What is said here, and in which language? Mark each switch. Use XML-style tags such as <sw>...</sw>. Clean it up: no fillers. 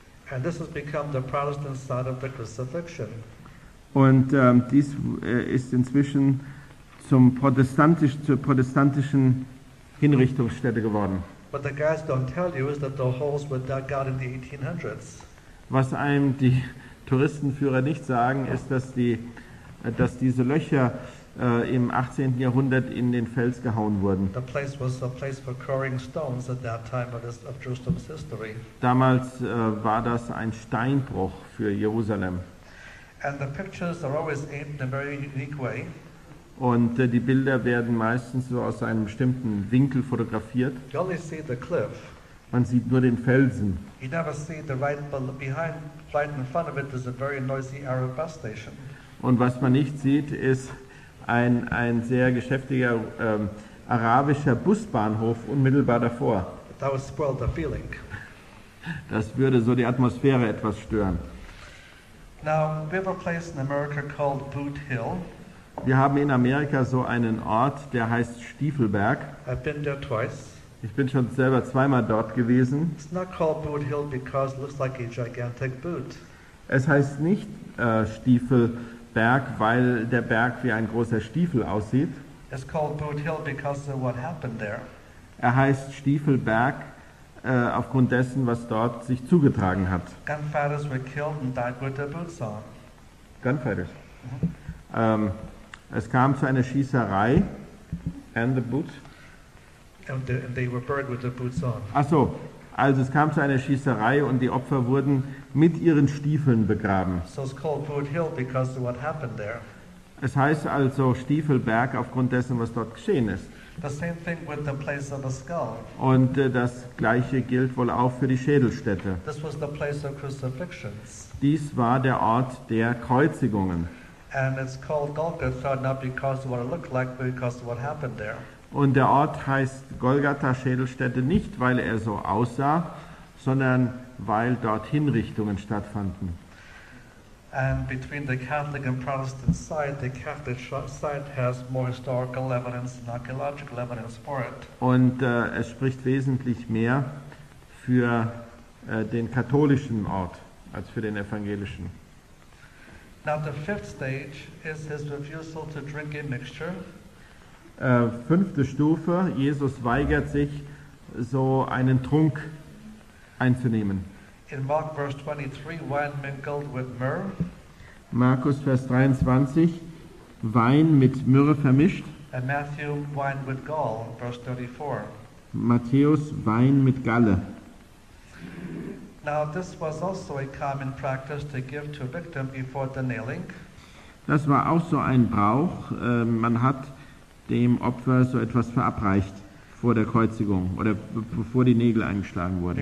<en>And this has become the Protestant side of the crucifixion.</en> <de>Und dies ist inzwischen zur protestantischen Hinrichtungsstätte geworden.</de> <en>But the guys don't tell you is that the holes were dug out in the 1800s.</en> <de>Was einem die Touristenführer nicht sagen, ist, dass diese Löcher im 18. Jahrhundert in den Fels gehauen wurden.</de> <en>The place was a place for quarrying stones at that time of Jerusalem's history.</en> <de>Damals war das ein Steinbruch für Jerusalem.</de> <en>And the pictures are always aimed in a very unique way.</en> <de>Und die Bilder werden meistens so aus einem bestimmten Winkel fotografiert.</de> <en>You only see the cliff.</en> <de>Man sieht nur den Felsen.</de> <en>You never see the right behind, right in front of it is a very noisy Arab bus station.</en> <de>Und was man nicht sieht, ist ein sehr geschäftiger arabischer Busbahnhof unmittelbar davor.</de> <en>That would spoil the feeling.</en> <de>Das würde so die Atmosphäre etwas stören.</de> <en>Now, we have a place in America called Boot Hill.</en> <de>Wir haben in Amerika so einen Ort, der heißt Stiefelberg.</de> <en>I've been there twice.</en> <de>Ich bin schon selber zweimal dort gewesen.</de> <en>It's not called Boot Hill because it looks like a gigantic boot.</en> <de>Es heißt nicht Stiefelberg, weil der Berg wie ein großer Stiefel aussieht.</de> <en>It's called Boot Hill because of what happened there.</en> <de>Er heißt Stiefelberg aufgrund dessen, was dort sich zugetragen hat.</de> <en>Gunfighters were killed and died with their boots on. Gunfighters.</en> <de>Es kam zu einer Schießerei</de> <en>and the boots. And they were buried with their boots on.</en> <de>Ach so, also es kam zu einer Schießerei und die Opfer wurden mit ihren Stiefeln begraben.</de> <en>So it's called Boot Hill because of what happened there.</en> <de>Es heißt also Stiefelberg aufgrund dessen, was dort geschehen ist.</de> <en>The same thing with the place of the skull.</en> <de>Und das gleiche gilt wohl auch für die Schädelstätte.</de> <en>This was the place of crucifixions.</en> <de>Dies war der Ort der Kreuzigungen.</de> <en>And it's called Golgotha not because of what it looked like, but because of what happened there.</en> <de>Und der Ort heißt Golgatha-Schädelstätte nicht, weil er so aussah, sondern weil dort Hinrichtungen stattfanden.</de> <en>And between the Catholic and Protestant side, the Catholic side has more historical evidence and archaeological evidence for it.</en> <de>Und es spricht wesentlich mehr für den katholischen Ort als für den evangelischen.</de> <en>Now the fifth stage is his refusal to drink a mixture.</en> <de>Fünfte Stufe, Jesus weigert sich, so einen Trunk einzunehmen.</de> <en>In Mark verse 23, wine mingled with myrrh.</en> <de>Markus Vers 23, Wein mit Myrrhe vermischt.</de> <en>And Matthew, wine with gall, verse 34.</en> <de>Matthäus, Wein mit Galle.</de> <en>Now this was also a common practice to give to a victim before the nailing.</en> <de>Das war auch so ein Brauch. Man hat dem Opfer so etwas verabreicht vor der Kreuzigung oder bevor die Nägel eingeschlagen wurden.</de>